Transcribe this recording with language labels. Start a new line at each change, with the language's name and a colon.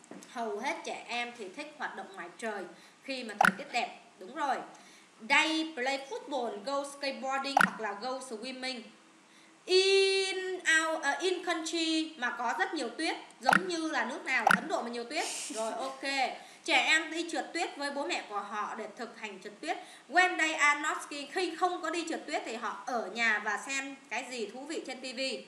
Vietnamese: Hầu hết trẻ em thì thích hoạt động ngoài trời khi mà thời tiết đẹp. Đúng rồi.
English: They play football, go skateboarding
Vietnamese: hoặc là
English: go swimming. In our in country
Vietnamese: mà có rất nhiều tuyết, giống như là nước nào? Ấn Độ mà nhiều tuyết. Rồi, ok. Trẻ em đi trượt tuyết với bố mẹ của họ để thực hành trượt tuyết.
English: When they are not skiing,
Vietnamese: khi không có đi trượt tuyết thì họ ở nhà và xem cái gì thú vị trên TV.